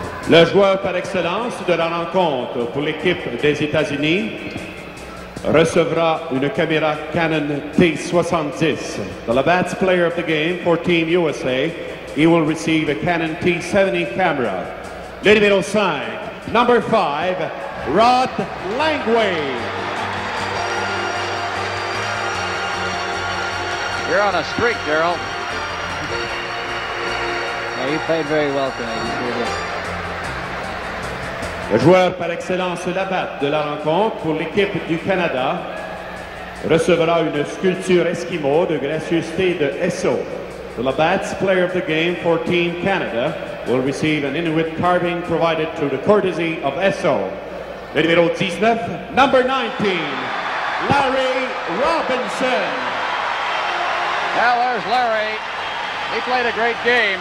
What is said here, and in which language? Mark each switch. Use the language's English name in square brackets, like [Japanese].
[French] Le joueur par excellence de la rencontre pour l'équipe des États-Unis recevra une caméra Canon T70. [English] The Labatt's player of the game for Team USA, he will receive a Canon T70 camera. [French] Le numéro 5, [English] number 5, [French] Rod Langway. [English] You're on a streak, Darrell. Yeah, you played very well tonight. [French] Le joueur par excellence Labatt de la rencontre pour l'équipe du Canada recevra une sculpture Eskimo de gracieuseté de Esso. [English] The Labatt's player of the game for Team Canada will receive an Inuit carving provided through the courtesy of Esso. [French] Le numéro 19, [English] number 19, [French] Larry Robinson. [English] Well, there's Larry. He played a great game.